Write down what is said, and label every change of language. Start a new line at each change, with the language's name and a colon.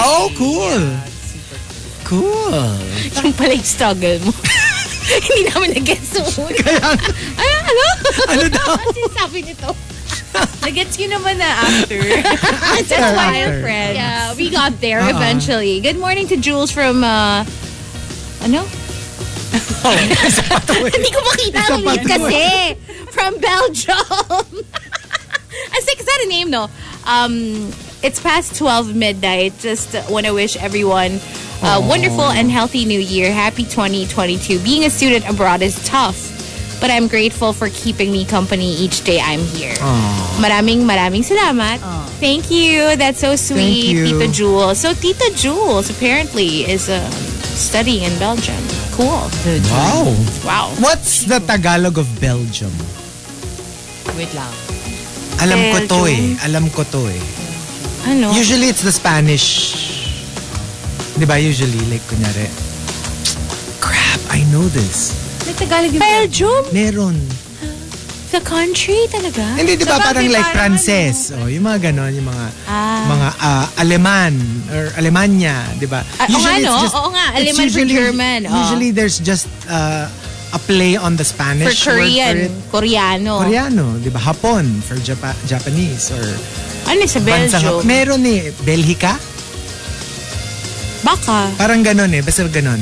English: Oh, cool. Yeah, cool.
Filipino: Yung pala yung struggle mo. Hindi naman nag-gets. Kaya nga. Ano? Ano daw? Sinasabi nito. Nag-gets yun naman na after.
English: It's just wild, friends. Yeah, we got there eventually. Good morning to Jules from, ano?
Filipino: Hindi ko makita ang mute kasi.
English: From Belgium. I think, is that a name, no? It's past 12 midnight. Just want to wish everyone a wonderful and healthy new year. Happy 2022. Being a student abroad is tough, but I'm grateful for keeping me company each day I'm here. Aww.
Filipino: Maraming, maraming salamat.
English: Aww. Thank you. That's so sweet. Thank you. Tita Jules. So, Tita Jules apparently is studying in Belgium. Cool. Wow. Wow. What's the Tagalog of Belgium?
Filipino: Wait lang. Alam ko to eh. Alam ko to eh. Ano?
English: Usually, it's the Spanish.
Filipino: Diba?
English: Usually, like, kunyari. Crap, I know this.
Filipino: May Tagalog yung Belgium? Meron.
English: The country talaga?
Filipino: Hindi, diba? So, parang like, Frances. Ano? Yung mga ganon, yung mga, mga Aleman, or Alemania, diba?
English: Usually, it's just,
Filipino: oo nga,
English: Aleman for German. Usually, there's just, a play on the Spanish for Korean, word for Koreano.
Filipino: Koreano, di ba? Hapon for Japanese or... Ano sa Belgium? Meron eh. Belgica? Baka. Parang ganon eh. Basta ganon.